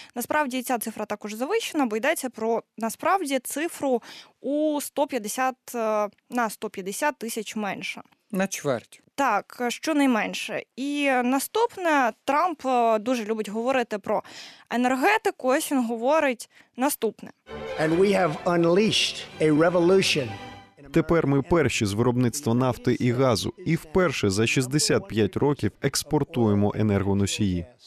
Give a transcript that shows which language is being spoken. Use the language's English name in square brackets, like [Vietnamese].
[Ukrainian] Насправді ця цифра також завищена, бо йдеться про насправді цифру у 150 на 150 тисяч менше. На чверть. Так, щонайменше. І наступне, Трамп дуже любить говорити про енергетику, ось він говорить наступне. [English] And we have unleashed a revolution. [Ukrainian] Тепер ми перші з виробництва нафти і газу, і вперше за 65 років експортуємо енергоносії.